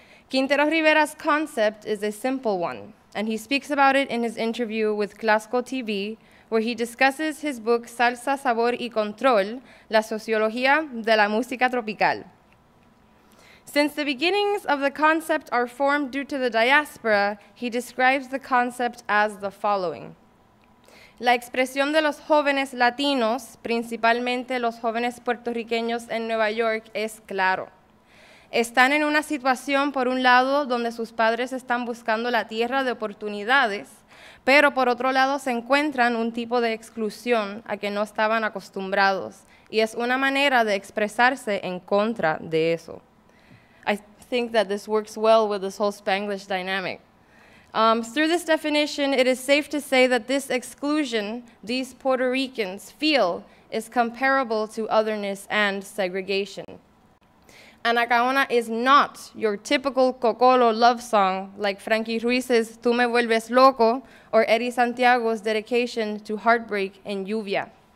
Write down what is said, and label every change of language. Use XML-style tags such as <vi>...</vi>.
<en>Quintero Rivera's concept is a simple one, and he speaks about it in his interview with Clasco TV, where he discusses his book Salsa, Sabor y Control, La Sociología de la Música Tropical. Since the beginnings of the concept are formed due to the diaspora, he describes the concept as the following.</en> <es>La expresión de los jóvenes latinos, principalmente los jóvenes puertorriqueños en Nueva York, es claro. Están en una situación, por un lado, donde sus padres están buscando la tierra de oportunidades, pero por otro lado se encuentran un tipo de exclusión a que no estaban acostumbrados, y es una manera de expresarse en contra de eso.</es> <en>I think that this works well with this whole Spanglish dynamic. Through this definition, it is safe to say that this exclusion these Puerto Ricans feel is comparable to otherness and segregation. Anacaona is not your typical cocolo love song like Frankie Ruiz's Tú Me Vuelves Loco or Eddie Santiago's dedication to heartbreak and lluvia.</en>